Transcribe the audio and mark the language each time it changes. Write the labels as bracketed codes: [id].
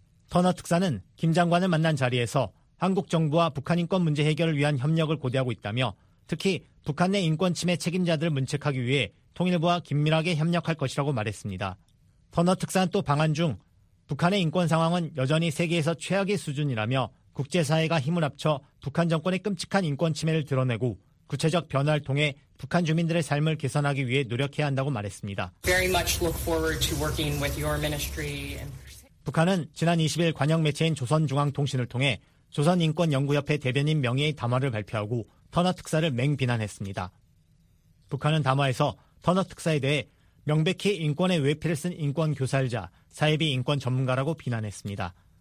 [ko] 터너 특사는 김 장관을 만난 자리에서 한국 정부와 북한 인권 문제 해결을 위한 협력을 고대하고 있다며 특히 북한 내 인권 침해 책임자들을 문책하기 위해 통일부와 긴밀하게 협력할 것이라고 말했습니다. 터너 특사는 또 방한 중 북한의 인권 상황은 여전히 세계에서 최악의 수준이라며 국제사회가 힘을 합쳐 북한 정권의 끔찍한 인권 침해를 드러내고 구체적 변화를 통해 북한 주민들의 삶을 개선하기 위해 노력해야 한다고 말했습니다. [en] Very much look forward to working with your ministry. [ko] 북한은 지난 20일 관영 매체인 조선중앙통신을 통해 조선인권연구협회 대변인 명의의 담화를 발표하고 터너 특사를 맹비난했습니다. 북한은 담화에서 터너 특사에 대해 명백히 인권의 외피를 쓴 인권교살자, 사회비 인권 전문가라고 비난했습니다.